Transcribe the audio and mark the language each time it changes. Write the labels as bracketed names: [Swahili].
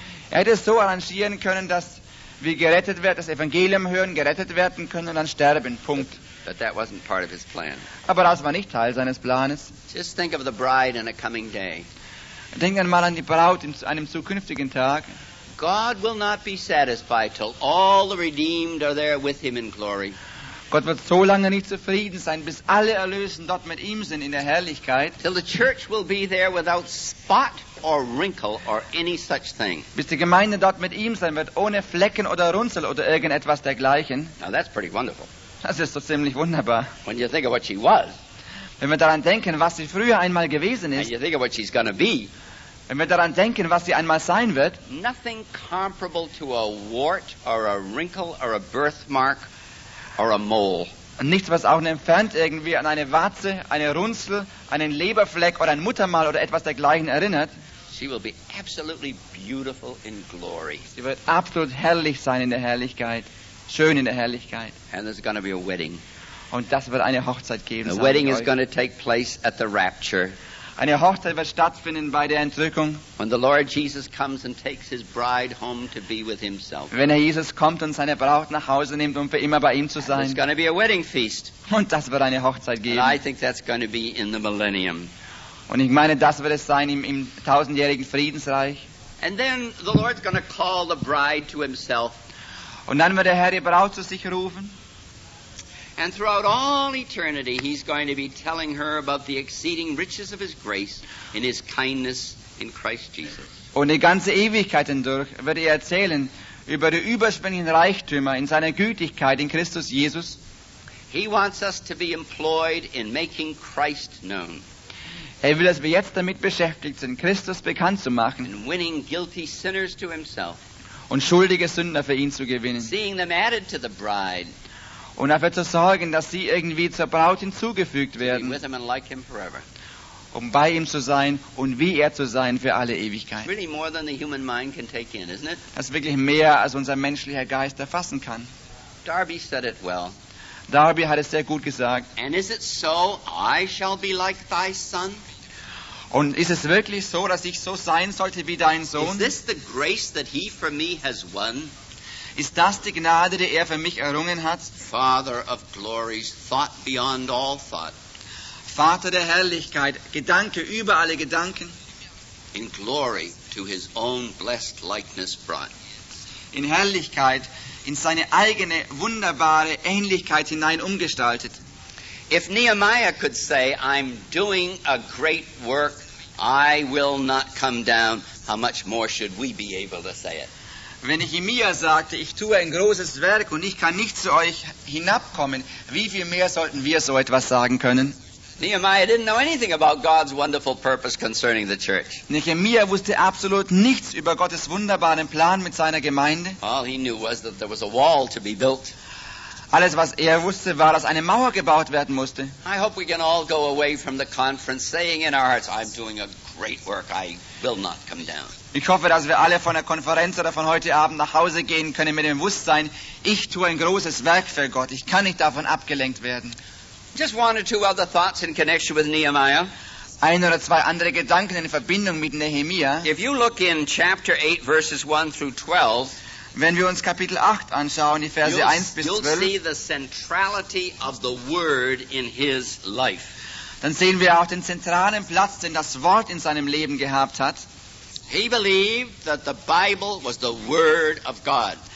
[German] Er hätte es so arrangieren können, dass wir gerettet werden, das Evangelium hören, gerettet werden können und dann sterben, Punkt. [English] But that wasn't part of his plan. [German] Aber das war nicht Teil seines Planes. [English] Just think of the bride in a coming day. [German] Denk einmal an die Braut in einem zukünftigen Tag. [English] God will not be satisfied till all the redeemed are there with him in glory. [German] Gott wird so lange nicht zufrieden sein, bis alle Erlösten dort mit ihm sind in der Herrlichkeit. [English] Till the church will be there without spot or wrinkle or any such thing. [German] Bis die Gemeinde dort mit ihm sein wird, ohne Flecken oder Runzel oder irgendetwas dergleichen. [English] Now that's pretty wonderful. [German] Das ist so ziemlich wunderbar. [English] When you think of what she was. [German] Wenn wir daran denken, was sie früher einmal gewesen ist. [English] And you think of what she's gonna be. [German] Wenn wir daran denken, was sie einmal sein wird. [English] Nothing comparable to a wart or a wrinkle or a birthmark. Or a mole. [German] Nichts, was auch entfernt irgendwie an eine Warze, eine Runzel, einen Leberfleck oder ein Muttermal oder etwas dergleichen erinnert. [English] She will be absolutely beautiful in glory. [German] Sie wird absolut herrlich sein in der Herrlichkeit, schön in der Herrlichkeit. [English] And there's gonna be a wedding. [German] Und das wird eine Hochzeit geben. [English] The wedding is gonna take place at the rapture. [German] Eine Hochzeit wird stattfinden bei der Entrückung. [English] When the Lord Jesus comes and takes his bride home to be with himself. [German] Wenn er Jesus kommt und seine Braut nach Hause nimmt, um für immer bei ihm zu sein. [English] It's going to be a wedding feast. [German] Und das wird eine Hochzeit geben. [English] And I think that's going to be in the millennium. [German] Und ich meine, das wird es sein im tausendjährigen Friedensreich. [English] And then the Lord's going to call the bride to himself. [German] Und dann wird der Herr die Braut zu sich rufen. [English] And throughout all eternity, he's going to be telling her about the exceeding riches of his grace in his kindness in Christ Jesus. [German] Und die ganze Ewigkeit hindurch wird er erzählen über die überspringenden Reichtümer in seiner Gütigkeit in Christus Jesus. [English] He wants us to be employed in making Christ known. [German] Er will, dass wir jetzt damit beschäftigt sind, Christus bekannt zu machen. [English] And winning guilty sinners to himself. [German] Und schuldige Sünder für ihn zu gewinnen. [English] Seeing them added to the bride. [German] Und dafür zu sorgen, dass sie irgendwie zur Braut hinzugefügt werden. [English] To be with him and like him forever. [German] Um bei ihm zu sein und wie er zu sein für alle Ewigkeit. [English] Really more than the human mind can take in, isn't it? [German] Das ist wirklich mehr, als unser menschlicher Geist erfassen kann. [English] Darby said it well. [German] Darby hat es sehr gut gesagt. [English] And is it so, I shall be like thy son? [German] Und ist es wirklich so, dass ich so sein sollte wie dein Sohn? [English] Is this the grace that he for me has won? [German] Ist das die Gnade, die er für mich errungen hat? [English] Father of glories, thought beyond all thought. [German] Vater der Herrlichkeit, Gedanke über alle Gedanken. [English] In glory to his own blessed likeness brought. [German] In Herrlichkeit, in seine eigene wunderbare Ähnlichkeit hinein umgestaltet. [English] If Nehemiah could say, I'm doing a great work, I will not come down, how much more should we be able to say it? [German] Wenn Nehemiah sagte, ich tue ein großes Werk und ich kann nicht zu euch hinabkommen, wie viel mehr sollten wir so etwas sagen können? [English] Nehemiah didn't know anything about God's wonderful purpose concerning the church. [German] Nehemiah wusste absolut nichts über Gottes wunderbaren Plan mit seiner Gemeinde. [English] All he knew was that there was a wall to be built. [German] Alles, was wusste, war, dass eine Mauer gebaut werden musste. [English] I hope we can all go away from the conference saying in our hearts, I'm doing a great work, I will not come down. [German] Ich hoffe, dass wir alle von der Konferenz oder von heute Abend nach Hause gehen können mit dem Bewusstsein, ich tue ein großes Werk für Gott, ich kann nicht davon abgelenkt werden. [English] Just one or two other thoughts in connection with Nehemiah. [German] Ein oder zwei andere Gedanken in Verbindung mit Nehemiah. [English] If you look in chapter 8, verses 1 through 12, [German] wenn wir uns Kapitel 8 anschauen, die Verse 1 bis 12, [English] you'll see the centrality of the word in his life. [German] Dann sehen wir auch den zentralen Platz, den das Wort in seinem Leben gehabt hat. [English] He believed that the Bible was the word of God.